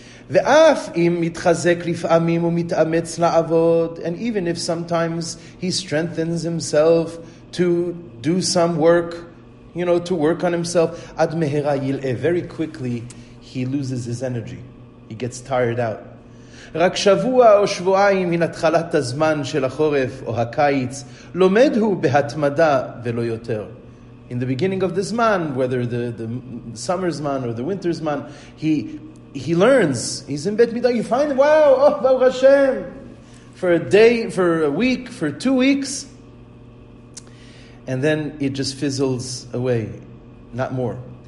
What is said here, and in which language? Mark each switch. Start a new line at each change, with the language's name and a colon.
Hebrew: ואף אם מתחזק לפעמים ומתאמץ לעבוד,
English: and even if sometimes he strengthens himself to do some work, you know, to work on himself,
Hebrew: עד מהרה ילאה,
English: very quickly he loses his energy, he gets tired out.
Hebrew: רק שבוע או שבועיים מן התחלת הזמן של החורף או הקיץ, לומד הוא בהתמדה ולא יותר.
English: In the beginning of this man, whether the summer's man or the winter's man, he learns. He's in Bet Midah. You find, wow, oh, Baruch Hashem. For a day, for a week, for 2 weeks. And then it just fizzles away. Not more.